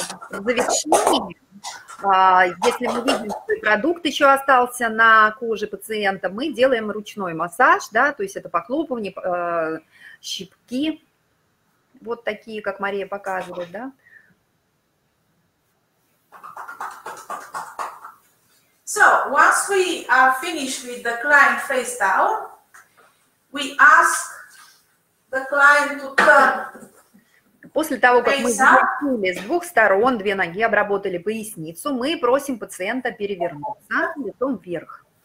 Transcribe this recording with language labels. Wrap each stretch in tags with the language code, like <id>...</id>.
<ru>В завершении, если мы видим, что продукт еще остался на коже пациента, мы делаем ручной массаж, да, то есть это похлопывание, щипки, вот такие, как Мария показывает, да.</ru> <en>So, once we are finished with the client face down, we ask the client to turn.</en> <ru>После того, как мы сделали с двух сторон, две ноги обработали поясницу, мы просим пациента перевернуться лицом вверх.</ru>